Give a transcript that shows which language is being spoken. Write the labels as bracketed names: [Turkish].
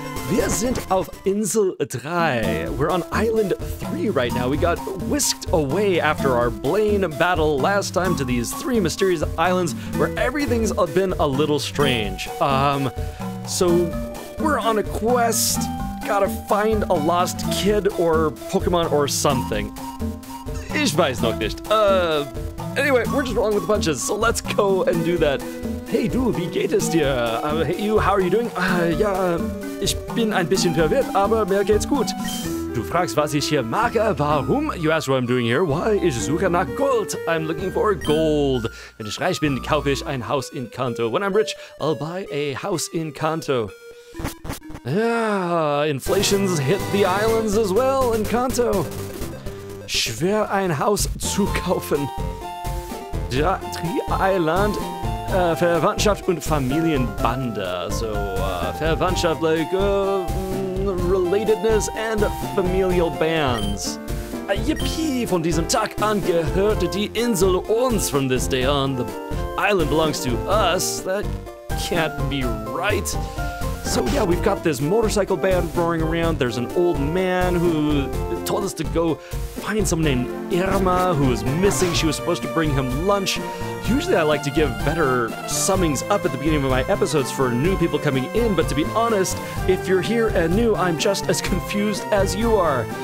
[German] Wir sind auf Insel 3. [English] We're on Island 3 right now. We got whisked away after our Blaine battle last time to these three mysterious islands where everything's been a little strange. So we're on a quest. Gotta find a lost kid or Pokémon or something. [German] Ich weiß noch nicht. [English] Anyway, we're just rolling with the punches, so let's go and do that. [German] Hey du, wie geht es dir? [English] Hey you, how are you doing? [German] Ja, ich bin ein bisschen verwirrt, aber mir geht's gut. Du fragst, was ich hier mache, warum? [English] You ask what I'm doing here. Why? [German] Ich suche nach Gold. [English] I'm looking for gold. [German] Wenn ich reich bin, kaufe ich ein Haus in Kanto. [English] When I'm rich, I'll buy a house in Kanto. Yeah, inflation's hit the islands as well in Kanto. [German] Schwer ein Haus zu kaufen. Ja, Tri-Island, Verwandtschaft und Familienbande. [English] So, Verwandtschaft, like, relatedness and familial bands. [German] Yippie, von diesem Tag an gehört die Insel uns. [English] From this day on, the island belongs to us. That can't be right. So yeah, we've got this motorcycle band roaring around. There's an old man who told us to go find someone named Irma who is missing. She was supposed to bring him lunch. Usually I like to give better summings up at the beginning of my episodes for new people coming in, but to be honest, if you're here and new, I'm just as confused as you are.